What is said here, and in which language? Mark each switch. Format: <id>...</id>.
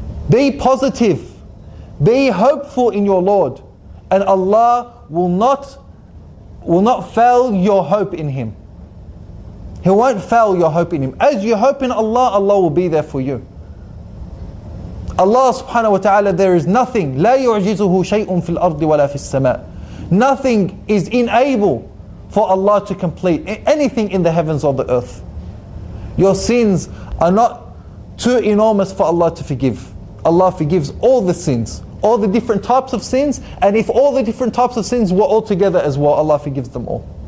<en>Be positive, be hopeful in your Lord, and Allah will not fail your hope in Him. He won't fail your hope in Him. As you hope in Allah, Allah will be there for you. Allah subhanahu wa ta'ala, there is nothing,</en> <ar>لا يعجزه شيء في الأرض ولا في السماء.</ar> <en>Nothing is unable for Allah to complete anything in the heavens or the earth. Your sins are not too enormous for Allah to forgive. Allah forgives all the sins, all the different types of sins, and if all the different types of sins were all together as well, Allah forgives them all.</en>